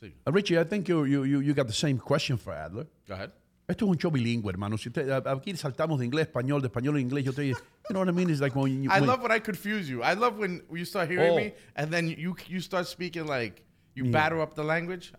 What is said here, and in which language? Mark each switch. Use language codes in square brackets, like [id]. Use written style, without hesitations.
[en] Richie, I think you got the same question for Adler. Go ahead. [es] Esto es un show bilingüe, hermano. Si usted, aquí saltamos de español a inglés. Yo te digo, [en] you know what I mean? It's like when I love when I confuse you. I love when you start hearing me and then you start speaking like you batter up the language.